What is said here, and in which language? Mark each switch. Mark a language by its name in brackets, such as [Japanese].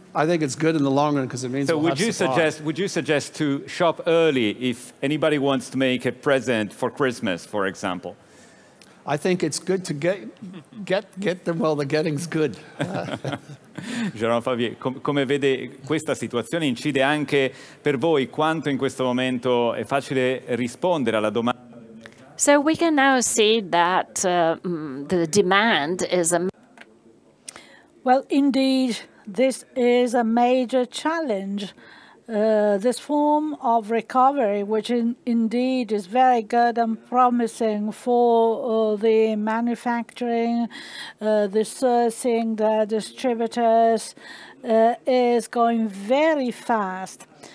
[English] I think it's good in the long run because it means. So would you suggest to shop early if anybody wants to make a present for Christmas, for example? I think it's good to get them while the getting's good. [Italian] Jerome Favier, come vede questa situazione incide anche per voi? Quanto in questo momento è facile rispondere alla domanda? [English] So we can now see that the demand is a... Well, indeed, this is a major challenge. This form of recovery, which indeed is very good and promising for the manufacturing, the sourcing, the distributors, is going very fast.